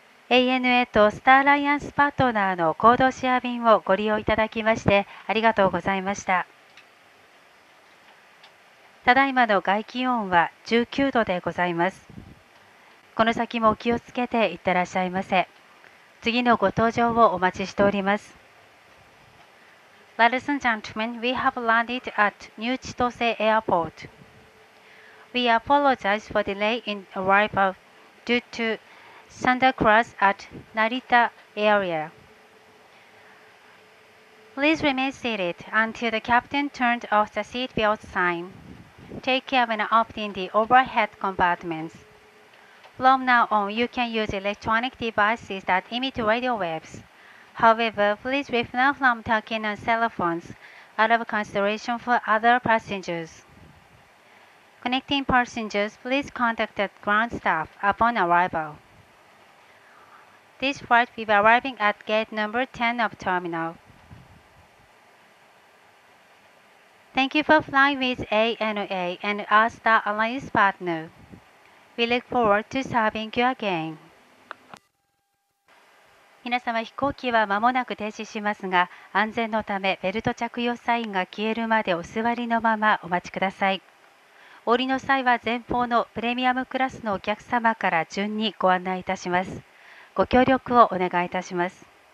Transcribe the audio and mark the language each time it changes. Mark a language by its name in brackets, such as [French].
[Japanese] ANA とスターアライアンスパートナーの行動シェア便をご利用いただきましてありがとうございました。ただいまの外気温は19度でございます。この先もお気をつけていってらっしゃいませ。次のご搭乗をお待ちしております。 [English] Ladies and gentlemen, we have landed at New Chitose Airport. We apologize for delay in arrival due to Santa Cruz at Narita area. Please remain seated until the captain turns off the seat belt sign. Take care when opening the overhead compartments. From now on, you can use electronic devices that emit radio waves. However, please refrain from talking on cell phones out of consideration for other passengers. Connecting passengers, please contact the ground staff upon arrival. This flight will be arriving at gate number 10 of terminal. Thank you for flying with ANA and our Star Alliance partner. We look forward to serving you again. [Japanese] 皆様、飛行機は間もなく停止しますが、安全のためベルト着用サインが消えるまでお座りのままお待ちください。降りの際は前方のプレミアムクラスのお客様から順にご案内いたします。ご協力をお願いいたします。